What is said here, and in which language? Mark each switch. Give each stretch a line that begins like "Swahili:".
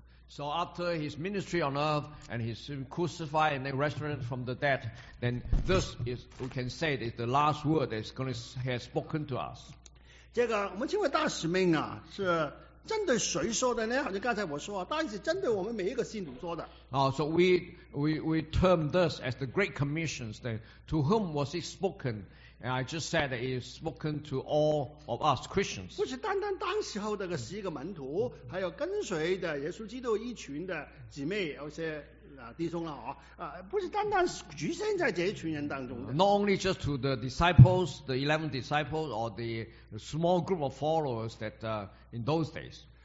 English: So after his ministry on earth and his crucified and then resurrected from the dead, then this is, we can say, is the last word that he has spoken to us.
Chinese: 这个我们称为大使命啊，是。针对谁说的呢？好像刚才我说，当然是针对我们每一个信徒说的。
English: So we term this as the Great Commission. To whom was it spoken? And I just said that it is spoken to all of us Christians.
Chinese: 不是单单当时候的十一个门徒，还有跟随的耶稣基督一群的姐妹，有些弟兄了啊，不是单单局限在这一群人当中的。
English: Not only just to the disciples, the 11 disciples, or the small group of followers that in those days.